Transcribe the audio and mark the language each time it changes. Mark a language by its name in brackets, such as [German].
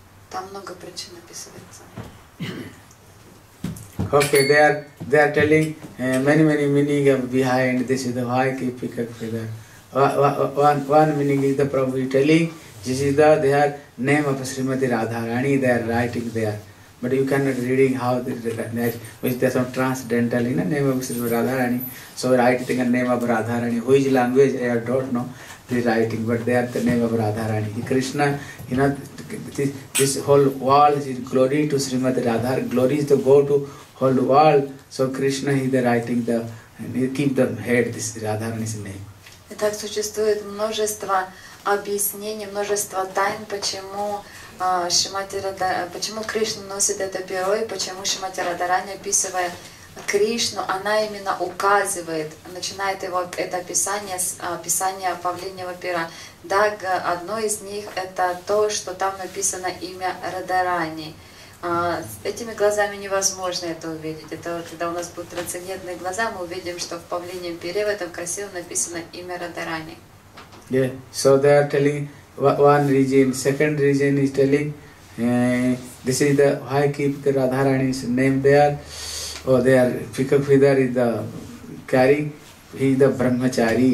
[Russian] Там много причин описывается. [English] Okay, they are telling many meaning behind this is the why keep peacock feather. One meaning is the probably telling. This is the name of Srimati Radharani, they are writing there. But you cannot reading how this is, which there is some transcendental in the name of Srimati Radharani. So writing a name of Radharani, which language I don't know, they are writing, but they are the name of Radharani. Krishna, you know, this whole world is glory to Srimati Radhar. Glory is the go to whole world. So Krishna is the writing the, and he keep the head, this Radharani's name. [Russian] Итак, существует множество объяснение, множество тайн, почему Шримати Радхарани, почему Кришна носит это перо и почему Шримати Радхарани, описывая Кришну, она именно указывает, начинает его это описание с описания павлиньего пера. Да, одно из них это то, что там написано имя Радхарани. Этими глазами невозможно это увидеть. Это вот, когда у нас будут трансцендентные глаза, мы увидим, что в павлиньем пере в этом красиво написано имя Радхарани. [English] Yeah, so they are telling one region. Second region is telling this is the why keep the Radharani's name there. Oh, they are peacock feather is the carrying, he is the brahmachari.